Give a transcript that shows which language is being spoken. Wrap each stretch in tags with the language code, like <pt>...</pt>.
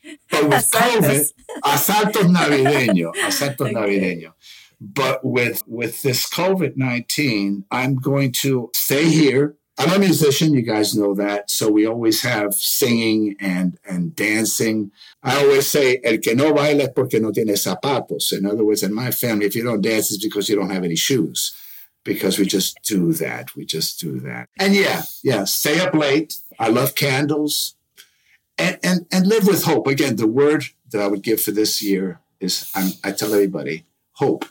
<en>But with COVID,</en> <es>asaltos navideño, asaltos navideño.</es> <en>But with this COVID-19, I'm going to stay here. I'm a musician, you guys know that. So we always have singing and dancing. I always say,</en> <es>el que no baila es porque no tiene zapatos.</es> <en>In other words, in my family, if you don't dance, it's because you don't have any shoes. Because we just do that. We just do that. And yeah, stay up late. I love candles. And live with hope. Again, the word that I would give for this year is, I tell everybody, hope.</en>